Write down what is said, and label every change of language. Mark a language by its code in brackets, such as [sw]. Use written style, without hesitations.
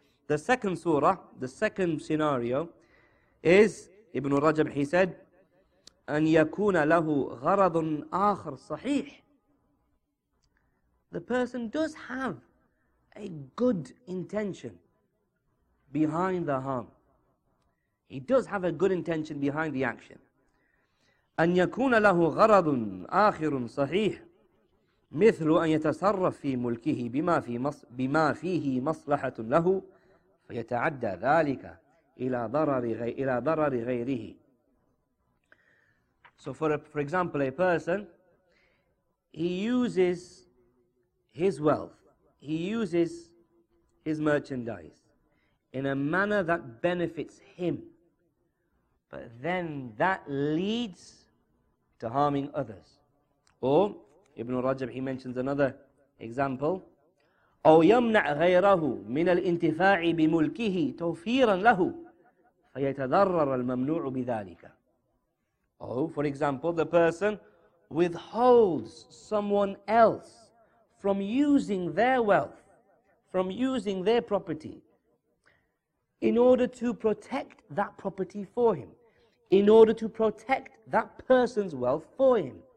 [en] The second surah, the second scenario, is Ibn Rajab, he said, [ar] أن يكون له غرض آخر صحيح. [en] The person does have a good intention behind the harm. He does have a good intention behind the action. [ar] أن يكون له غرض آخر صحيح مثل أن يتصرف في ملكه بما فيه مصلحة له فيتعدى ذلك إلى ضرر غيره. [en] So for example, a person, he uses his wealth, he uses his merchandise in a manner that benefits him, but then that leads to harming others. Or Ibn Rajab, he mentions another example, [ar] أو يمنع غيره من الانتفاع بملكه توفيرا له فيتضرر الممنوع بذلك. [en] Oh, for example, the person withholds someone else from using their wealth, from using their property, in order to protect that property for him, in order to protect that person's wealth for him.